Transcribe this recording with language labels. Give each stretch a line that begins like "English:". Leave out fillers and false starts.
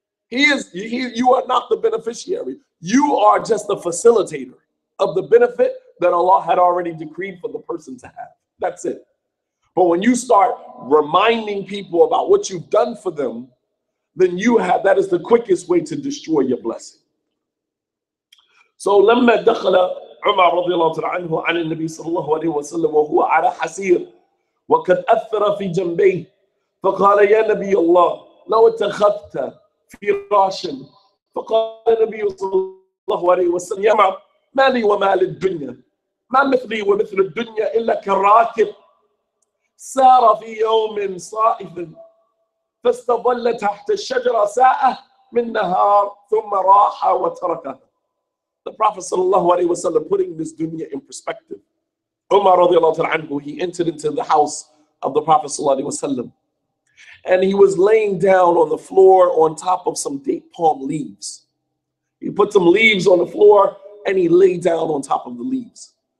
English: You are not the beneficiary. You are just the facilitator of the benefit that Allah had already decreed for the person to have. That's it. But when you start reminding people about what you've done for them, then you have, that is the quickest way to destroy your blessing.
Arabic: So لما دخل عمر رضي الله عنه عن النبي صلى الله عليه وسلم وهو على حسير وقد أثر في جنبيه فقال يا نبي الله لو اتخذت في راش فقال النبي صلى الله عليه وسلم يا عمر ما لي وما للدنيا ما مثلي ومثل الدنيا إلا كراكب سار في يوم صائف فاستظل تحت الشجرة ساعة من نهار ثم راح وتركه.
English: The Prophet sallallahu alaihi wasallam, putting this dunya in perspective, Umar radiallahu ta'ala anhu, he entered into the house of the Prophet sallallahu alaihi wasallam, and he was laying down on the floor on top of some date palm leaves. He put some leaves on the floor and he lay down on top of the leaves.